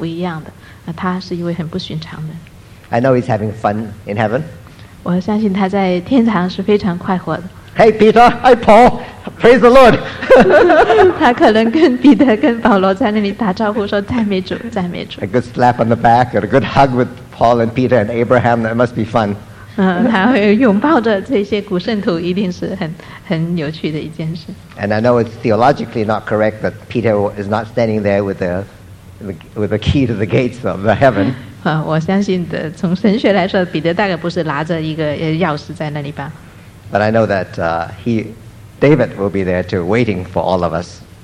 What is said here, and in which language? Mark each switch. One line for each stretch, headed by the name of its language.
Chinese: 这里提醒我们，神造我们每一个人都不一样的，他是一位很不寻常的。
English: I know he's having fun in heaven.
Chinese: 我相信他在天堂是非常快活的。
English: Hey Peter, hey Paul, praise the Lord.
Chinese: 他可能跟彼得跟保罗在那里打招呼说赞美主，赞美主。
English: A good slap on the back and a good hug with Paul and Peter and Abraham, that must be fun.
Chinese: 他会拥抱着这些古圣徒，一定是很有趣的一件事。
English: And I know it's theologically not correct that Peter is not standing there with the key to the gates of the heaven.
Chinese: 我相信的，从神学来说，彼得大概不是拿着一个钥匙在那里吧。
English: But I know that David will be there too, waiting for all of us.